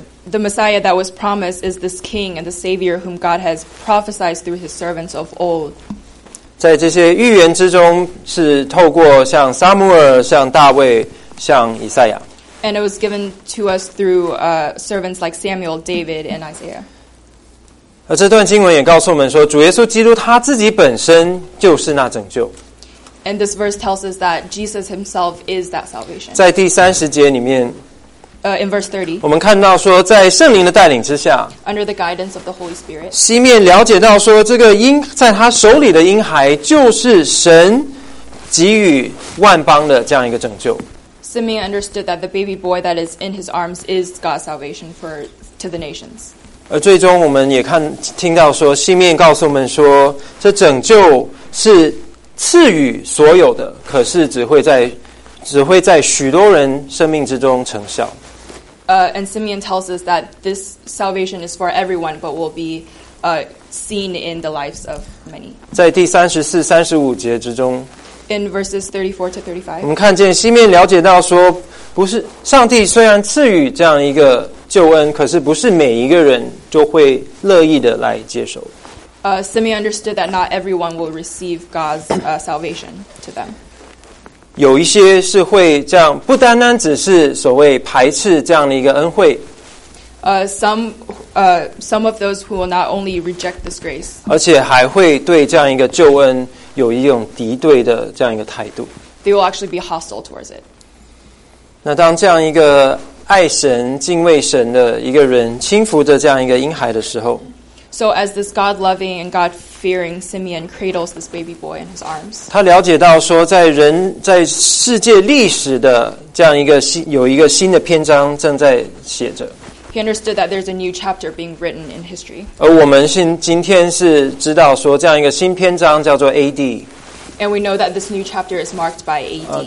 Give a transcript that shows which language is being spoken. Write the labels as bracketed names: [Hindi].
[English] The Messiah that was promised is this King and the Savior whom God has prophesied through His servants of old. [Chinese] 在这些预言之中，是透过像撒母耳、像大卫、像以赛亚。 [English] And it was given to us through servants like Samuel, David, and Isaiah. [Chinese] 而这段经文也告诉我们说，主耶稣基督他自己本身就是那拯救。 [English] And this verse tells us that Jesus Himself is that salvation. [Chinese] 在第三十节里面。 [English] In verse 30, [Chinese] 我们看到说，在圣灵的带领之下 [English] ，under the guidance of the Holy Spirit, [Chinese] 西面了解到说，这个婴在他手里的婴孩就是神给予万邦的这样一个拯救。 [English] Simeon understood that the baby boy that is in his arms is God's salvation to the nations. [Chinese] 而最终，我们也听到说，西面告诉我们说，这拯救是赐予所有的，可是只会在许多人生命之中成效。 [English] And Simeon tells us that this salvation is for everyone, but will be seen in the lives of many. [Chinese] 在第34、35节之中 [English] ，in verses 34 to 35, [Chinese] 我们看见西面了解到说，不是上帝虽然赐予这样一个救恩，可是不是每一个人就会乐意的来接受。 [English] Simeon understood that not everyone will receive God's salvation to them. [Chinese] 有一些是会这样，不单单只是所谓排斥这样的一个恩惠。 [English] Some of those who will not only reject this grace, [Chinese] 而且还会对这样一个救恩有一种敌对的这样一个态度。 [English] They will actually be hostile towards it. [Chinese] 那当这样一个爱神、敬畏神的一个人轻抚着这样一个婴孩的时候 [English] ，So as this God-loving and God-fearing Simeon cradles this baby boy in his arms. [Chinese] 他了解到说，在世界历史的这样一个有一个新的篇章正在写着。 [English] He understood that there's a new chapter being written in history. [Chinese] 而我们今天是知道说，这样一个新篇章叫做 AD. [English] And we know that this new chapter is marked by AD.